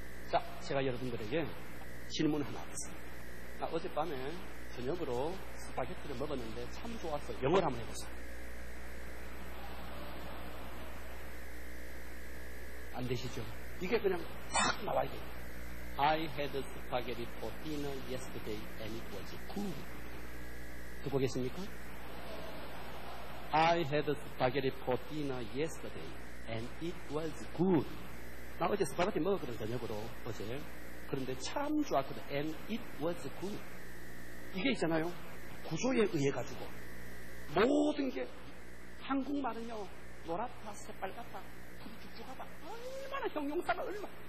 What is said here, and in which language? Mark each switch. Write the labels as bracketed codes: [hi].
[ko] 자, 제가 여러분들에게 질문 하나 하겠습니다. 어젯밤에 저녁으로 스파게티를 먹었는데 참 좋았어. 영어를 한번 해보세요. 안 되시죠? 이게 그냥 딱 나와야 돼요. [en] I had spaghetti for dinner yesterday and it was good. [ko] 듣고 계십니까? [en] I had spaghetti for dinner yesterday and it was good. [ko] 나 어제 스파게티 먹었거든, 저녁으로. 어제. 그런데 참 좋았거든. [en] And it was good. [ko] 이게 있잖아요. 구조에 의해 가지고 모든 게 한국말은요 노랗다, 새빨갛다, 푸르 죽죽하다 얼마나 형용사가 얼마.